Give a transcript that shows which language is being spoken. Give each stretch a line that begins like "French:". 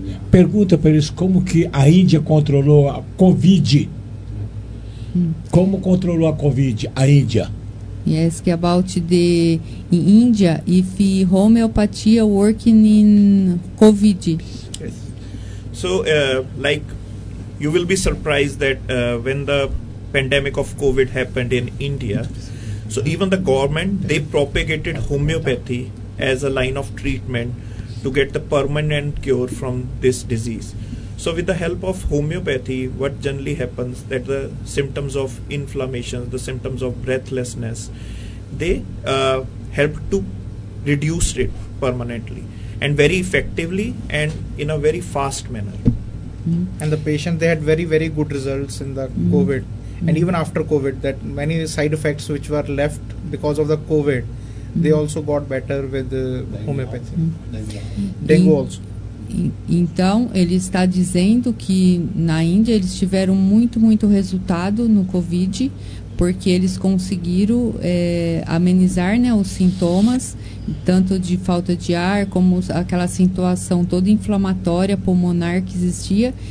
Portuguese: Pergunta para eles como que a Índia controlou a Covid. Como controlou a Covid, a Índia?
English: Yes, about the in India, if homeopathia working in COVID. Yes. So, you will be surprised that when the pandemic of COVID happened in India, so even the government, they propagated homeopathy as a line of treatment to get the permanent cure from this disease. So with the help of homeopathy, what generally happens that the symptoms of inflammation, the symptoms of breathlessness, they help to reduce it permanently. and very effectively and in a very fast manner. Mm. And the patient, they had very, very good results in the COVID. Mm. And even after COVID, that many side effects which were left because of the COVID, they also got better with the homeopathy. Dengue also.
Portuguese: Então, ele está dizendo que na Índia eles tiveram muito, muito resultado no COVID, porque eles conseguiram amenizar, né, os sintomas, tanto de falta de ar, como aquela situação toda inflamatória pulmonar que existia.